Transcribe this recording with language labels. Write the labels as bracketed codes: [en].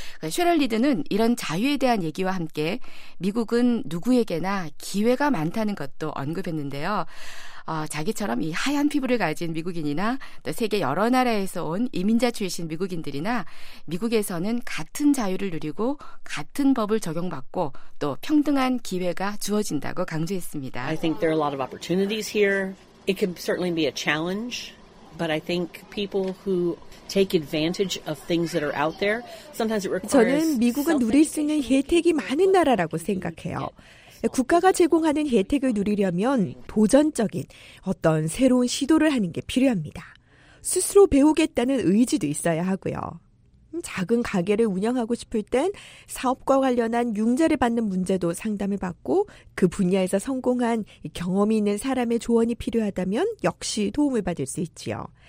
[ko] 쉐럴리드는 이런 자유에 대한 얘기와 함께 미국은 누구에게나 기회가 많다는 것 또 언급했는데요. 자기처럼 이 하얀 피부를 가진 미국인이나 또 세계 여러 나라에서 온 이민자 출신 미국인들이나 미국에서는 같은 자유를 누리고 같은 법을 적용받고 또 평등한 기회가 주어진다고 강조했습니다. [en] I think there are a lot of opportunities here. It can certainly be a challenge, but I think people who take advantage of things that are out there, sometimes it requires [ko] 저는 미국은 누릴 수 있는 혜택이 많은 나라라고 생각해요. 국가가 제공하는 혜택을 누리려면 도전적인 어떤 새로운 시도를 하는 게 필요합니다. 스스로 배우겠다는 의지도 있어야 하고요. 작은 가게를 운영하고 싶을 땐 사업과 관련한 융자를 받는 문제도 상담을 받고 그 분야에서 성공한 경험이 있는 사람의 조언이 필요하다면 역시 도움을 받을 수 있지요.